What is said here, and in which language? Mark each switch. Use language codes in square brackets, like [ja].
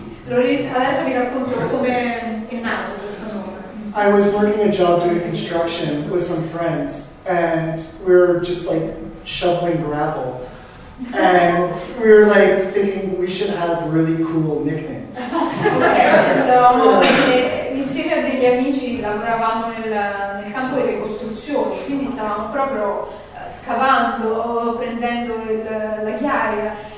[it] Adesso vi racconto come è nato questo nome. [en] I was working a job doing construction with some friends, and we were just like shoveling gravel. And we were like thinking we should have really cool nicknames. [it] Stavamo insieme a degli amici, lavoravamo nel campo delle costruzioni, quindi stavamo proprio scavando, prendendo la chiaia.